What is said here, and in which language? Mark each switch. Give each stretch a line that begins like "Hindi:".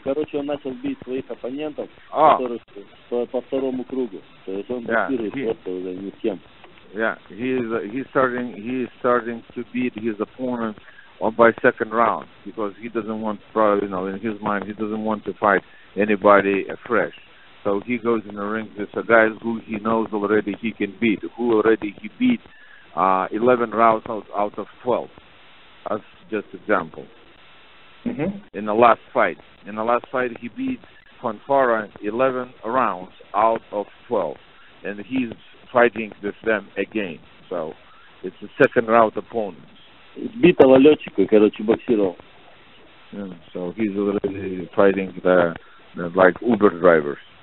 Russian: Короче, он начал бить своих оппонентов, которых по второму кругу. То есть он блокирует просто уже не с кем.
English: Yeah, he's starting to beat his opponent by second round because he doesn't want, probably, you know, in his mind, he doesn't want to fight anybody afresh. So he goes in the ring with a guy who he knows already he can beat, who already he beat 11 rounds out of 12. That's just example. Mm-hmm. In the last fight. In the last fight, he beat Fanfara 11 rounds out of 12. And he's fighting with them again. So it's a second round opponent.
Russian: Битого летчика, короче, боксировал.
English: So he's already fighting the like Uber drivers.